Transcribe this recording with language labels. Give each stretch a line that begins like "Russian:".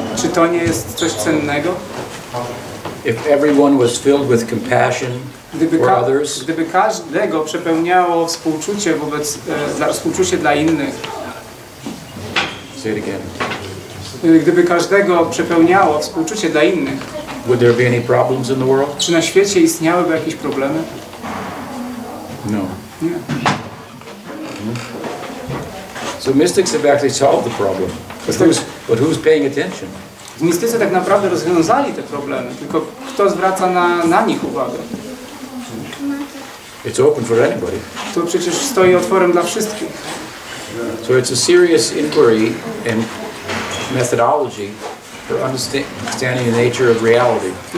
Polish: Czy to nie jest coś cennego?
English: If everyone was filled with compassion for others,
Polish: gdyby każdego przepełniało współczucie wobec współczucie dla innych.
English: Say it again.
Polish: Gdyby każdego przepełniało współczucie dla innych.
English: Would there be any problems in the world?
Polish: Czy na świecie istniałyby jakieś problemy?
English: No.
Polish: Nie.
English: So mystics have actually solved the problem. But who's paying attention?
Polish: Mistycy tak naprawdę rozwiązali te problemy, tylko kto zwraca na nich uwagę?
English: It's open for anybody.
Polish: To przecież stoi otworem dla wszystkich.
English: So it's a serious inquiry and methodology for understanding the nature of reality.